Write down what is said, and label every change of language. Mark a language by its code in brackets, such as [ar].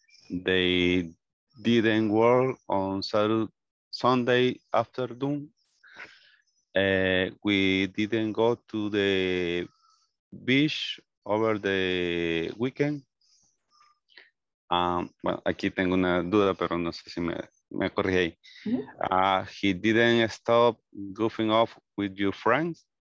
[en] They didn't work on Sunday afternoon. We didn't go to the beach over the weekend. [es] Well, aquí tengo una duda, pero no sé si me corrige ahí. [en] He didn't stop goofing off with your friends.